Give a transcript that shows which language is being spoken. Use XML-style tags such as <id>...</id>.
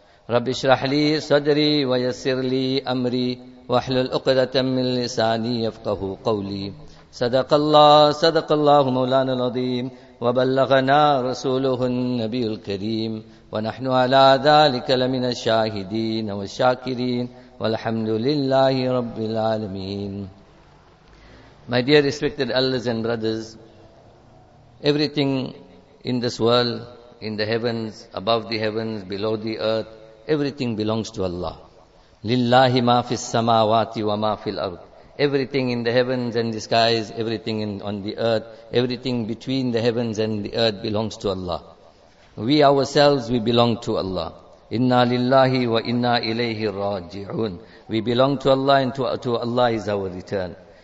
<ar>رب اشرح لي صدري ويسر لي أمري واحلل عقدة من لساني يفقه قولي صدق الله مولانا العظيم وبلغنا رسوله النبي الكريم ونحن على ذلك لمن الشاهدين والشاكرين والحمد لله رب العالمين.</ar> <en>My dear respected elders and brothers, everything in this world, in the heavens, above the heavens, below the earth, everything belongs to Allah.</en> <ar>لله ما في السماوات وما في الأرض.</ar> <en>Everything in the heavens and the skies, everything on the earth, everything between the heavens and the earth belongs to Allah. We ourselves, we belong to Allah.</en> <ar>Inna lillahi wa inna ilayhi raji'un.</ar> <en>We belong to Allah and to Allah is our return.</en>